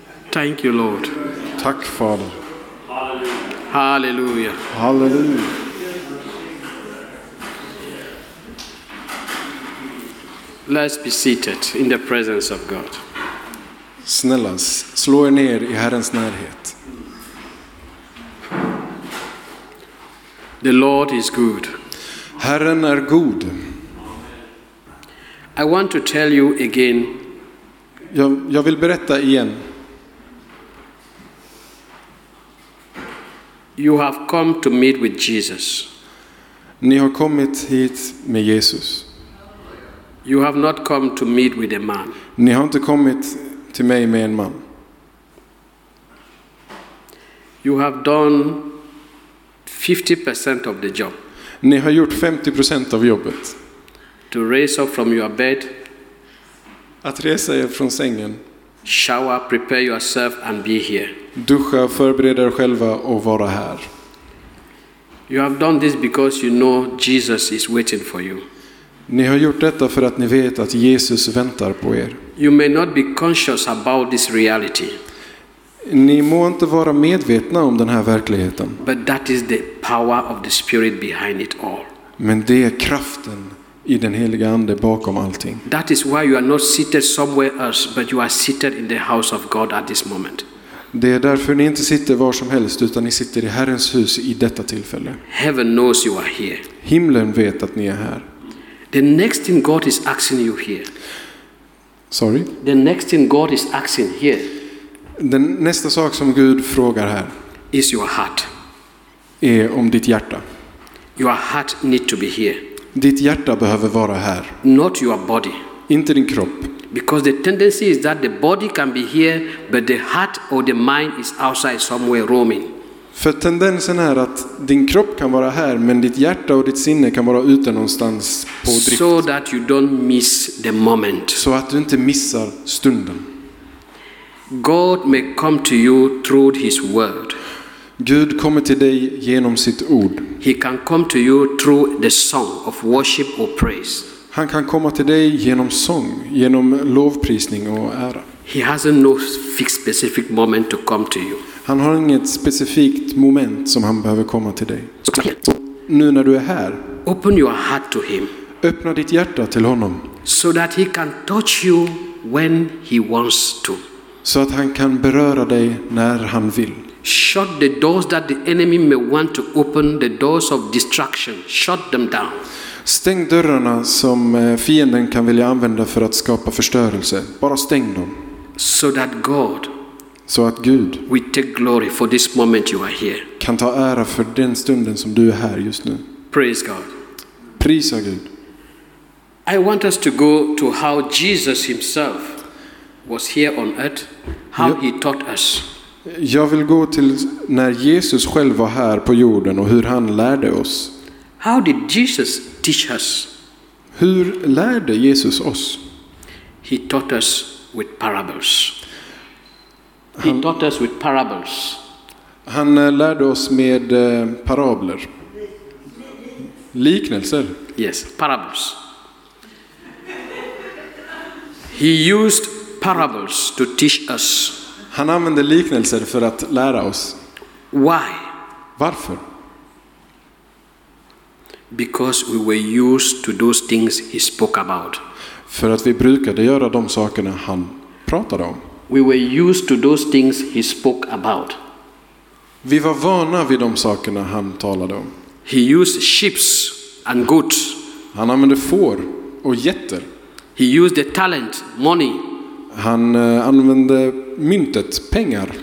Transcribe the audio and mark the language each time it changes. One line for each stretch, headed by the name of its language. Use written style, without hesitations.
English: Thank you, Lord.
Swedish: Tack, Fader. Halleluja. Halleluja.
English: Let's be seated in the presence of God.
Swedish: Snälla, slå er ner i Herrens närhet.
English: The Lord is good.
Swedish: Herren är god.
English: I want to tell you again.
Swedish: Jag vill berätta igen.
English: You have come to meet with Jesus.
Swedish: Ni har kommit hit med Jesus.
English: You have not come to meet with a man.
Swedish: Ni har inte kommit till mig med en man.
English: You have done 50% of the job.
Swedish: Ni har gjort 50% av jobbet.
English: To raise up from your bed.
Swedish: Att resa er från sängen.
English: Shower, prepare yourself and be here.
Swedish: Duscha, förbereda er själva och vara här.
English: You have done this because you know Jesus is waiting for you.
Swedish: Ni har gjort detta för att ni vet att Jesus väntar på er.
English: You may not be conscious about this reality.
Swedish: Ni må inte vara medvetna om den här verkligheten.
English: But that is the power of the Spirit behind it all.
Swedish: Men det är kraften i den heliga ande bakom allting.
English: That is why you are not seated somewhere else, but you are seated in the house of God at this moment.
Swedish: Det är därför ni inte sitter var som helst, utan ni sitter i Herrens hus i detta tillfälle.
English: Heaven knows you are here.
Swedish: Himlen vet att ni är här.
English: The next thing God is asking you here. Sorry? The next thing God is asking here.
Swedish: Den nästa sak som Gud frågar här.
English: Is your heart.
Swedish: Är om ditt hjärta.
English: Your heart need to be here.
Swedish: Ditt hjärta behöver vara här.
English: Not your body.
Swedish: Inte din kropp.
English: Because the tendency is that the body can be here, but the heart or the mind is outside somewhere roaming.
Swedish: För tendensen är att din kropp kan vara här, men ditt hjärta och ditt sinne kan vara ute någonstans på drift.
English: So that you don't miss the moment.
Swedish: Så att du inte missar stunden.
English: God may come to you through his word.
Swedish: Gud kommer till dig genom sitt ord.
English: He can come to you through the song of worship or praise.
Swedish: Han kan komma till dig genom sång, genom lovprisning och ära.
English: He has no fixed specific moment to come to you.
Swedish: Han har inget specifikt moment som han behöver komma till dig. Nu när du är här.
English: Open your heart to him.
Swedish: Öppna ditt hjärta till honom.
English: So that he can touch you when he wants to.
Swedish: Så att han kan beröra dig när han vill.
English: Shut the doors that the enemy may want to open, the doors of distraction. Shut them down.
Swedish: Stäng dörrarna som fienden kan vilja använda för att skapa förstörelse. Bara stäng dem.
English: So that God.
Swedish: Så att Gud
English: we take glory for this moment you are here.
Swedish: Kan ta ära för den stunden som du är här just nu.
English: Praise God.
Swedish: Prisa Gud.
English: I want us to go to how Jesus himself was here on earth, how he taught us.
Swedish: Jag vill gå till när Jesus själv var här på jorden och hur han lärde oss.
English: How did Jesus teach us?
Swedish: Hur lärde Jesus oss?
English: He taught us with parables. He taught us with parables.
Swedish: Han lärde oss med parabler. Liknelser.
English: Yes, parables. He used parables to teach us.
Swedish: Han använde liknelser för att lära oss.
English: Why?
Swedish: Varför?
English: Because we were used to those things he spoke about.
Swedish: För att vi brukade göra de sakerna han pratade om.
English: We were used to those things he spoke about.
Swedish: Vi var vana vid de sakerna han talade om.
English: He used sheep and goats.
Swedish: Han använde får och getter.
English: He used the talent, money.
Swedish: Han använde myntet, pengar.